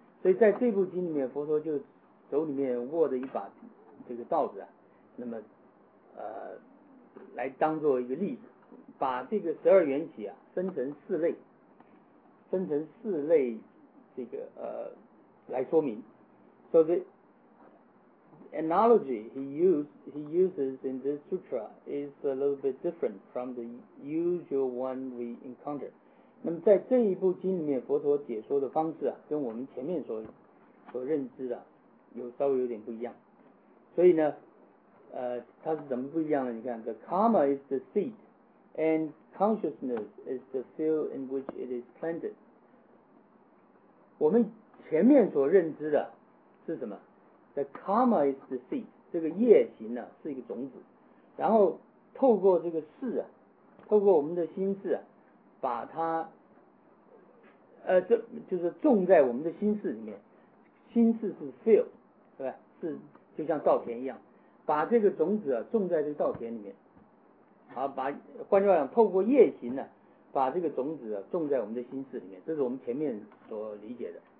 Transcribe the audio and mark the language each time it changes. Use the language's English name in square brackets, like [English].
[Chinese] 所以在这部经里面，佛陀就手里面握着一把这个道子啊，那么来当做一个例子，把这个十二缘起啊分成四类，分成四类这个来说明。 [English] So the analogy he uses in this sutra is a little bit different from the usual one we encounter. [Chinese] 那么在这一部经里面，佛陀解说的方式啊，跟我们前面所认知的有稍微有点不一样。所以呢，它是怎么不一样的？你看 [English] ，the karma is the seed, and consciousness is the field in which it is planted. [Chinese] 我们前面所认知的是什么？ [English] The karma is the seed, [Chinese] 这个业行呢、啊、是一个种子，然后透过这个事啊，透过我们的心事啊，把它就是种在我们的心事里面，心事是 field, 对吧，是就像稻田一样，把这个种子啊种在这个稻田里面，好，把换句话讲，透过业行呢、啊、把这个种子啊种在我们的心事里面，这是我们前面所理解的。